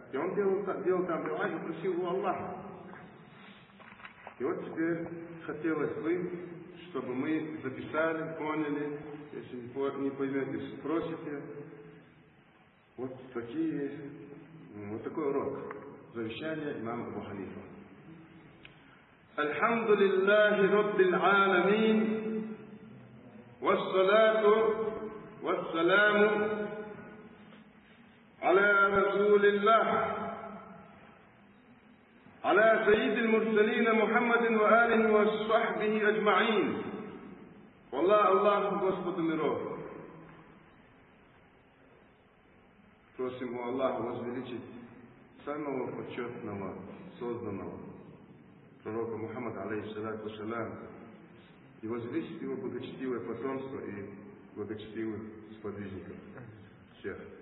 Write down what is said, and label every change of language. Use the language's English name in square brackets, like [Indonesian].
[Russian] И он делал там дуа и просил у Аллаха. И вот теперь хотелось бы, чтобы мы записали, поняли, если не поймете, спросите. Вот такие, вот такой урок. Завещание имама Абу Ханифа. [Arabic] الحمد لله رب العالمين والصلاة والسلام على رسول الله على سيد المرسلين محمد وآله وصحبه أجمعين والله الله [Russian] Господ миров. Просим у Аллаха возвеличить самого почетного созданного пророка Мухаммада, алейхиссалату вассалям, и возвысить его благочестивое потомство и благочестивых сподвижников всех.